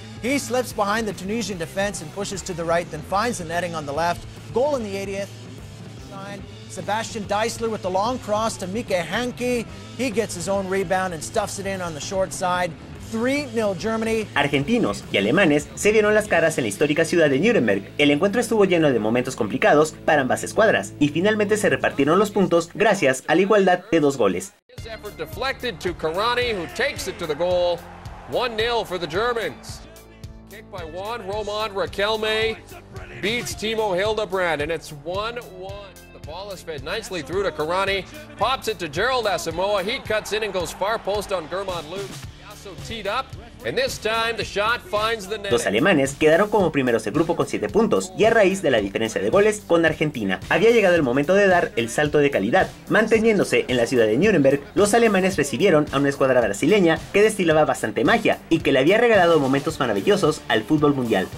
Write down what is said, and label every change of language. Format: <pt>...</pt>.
<en>He slips behind the Tunisian defense and pushes to the right, then finds the netting on the left. Goal in the 80th. Sebastian Deisler with the long cross to Mika Hanke. He gets his own rebound and stuffs it in on the short side. 3-0 Germany.</en> <es>Argentinos y alemanes se vieron las caras en la histórica ciudad de Nuremberg. El encuentro estuvo lleno de momentos complicados para ambas escuadras y finalmente se repartieron los puntos gracias a la igualdad de 2 goles.</es> <en>His effort deflected to Karani, who takes it to the goal. 1-0 for the Germans. Kick by Juan Román Riquelme beats Timo Hildebrand and it's 1-1. Ball is fed nicely through to Karani, pops it to Gerald Asamoah. He cuts in and goes far post on German Luke. Also teed up. And this time the shot finds the net.</en> <es>Los alemanes quedaron como primeros de grupo con 7 puntos y a raíz de la diferencia de goles con Argentina. Había llegado el momento de dar el salto de calidad. Manteniéndose en la ciudad de Nuremberg, los alemanes recibieron a una escuadra brasileña que destilaba bastante magia y que le había regalado momentos maravillosos al fútbol mundial.</es>